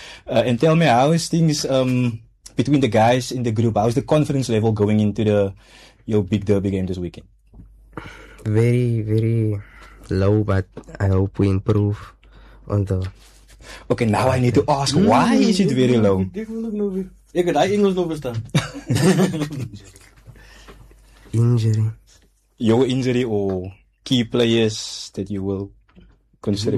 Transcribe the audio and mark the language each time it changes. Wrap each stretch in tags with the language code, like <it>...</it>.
<en>And tell me, how is things between the guys in the group? How is the confidence level going into your big derby game this weekend? Very, very low, but I hope we improve on the... Okay, now I need to ask, why is it very low?</en> <af>Ek het die Engels nog verstaan.</af> <en>Injury. Your injury or key players that you will consider?</en>